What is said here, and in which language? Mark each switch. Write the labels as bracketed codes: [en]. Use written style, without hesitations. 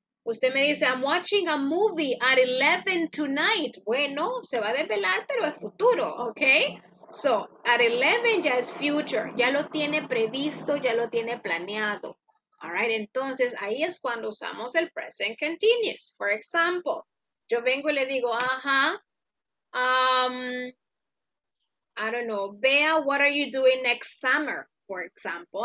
[es] Usted me dice, [en] I'm watching a movie at 11 tonight. [es] Bueno, se va a desvelar, pero es futuro, okay? So, at 11 ya es future, ya lo tiene previsto, ya lo tiene planeado. [en] All right, [es] entonces ahí es cuando usamos el present continuous. [en] For example, [es] yo vengo y le digo, ajá, [en] I don't know, Bea, what are you doing next summer, for example.